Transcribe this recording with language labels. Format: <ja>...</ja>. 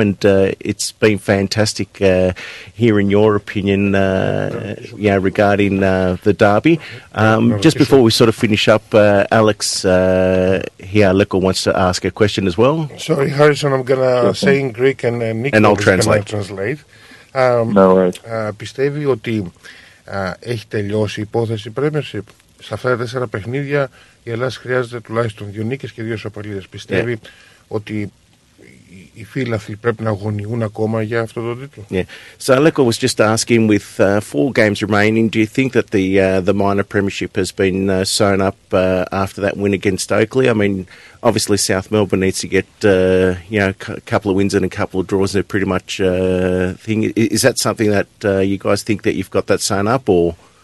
<en>And it's been fantastic hearing your opinion regarding the derby. Just before we sort of finish up, Alex here, Lekko, wants to ask a question as well. Sorry, Harrison, I'm going to say in Greek and Nick and I'll translate. No worries.</en> <el>Πιστεύει ότι έχει τελειώσει η υπόθεση Premiership? Σε αυτά τα τέσσερα παιχνίδια η Ελλάδα χρειάζεται τουλάχιστον δύο νίκες και δύο ισοπαλίες. Πιστεύει ότι οι φίλαθλοι πρέπει να αγωνιούν ακόμα για αυτό το τίτλο?</el> <en>Yeah. So Lekko was just asking, with four games remaining, do you think that the minor premiership has been sewn up after that win against Oakley? I mean, obviously South Melbourne needs to get you know, a couple of wins and a couple of draws. They're pretty much thing. Is that something that you guys think that you've got that sewn up, or?</en>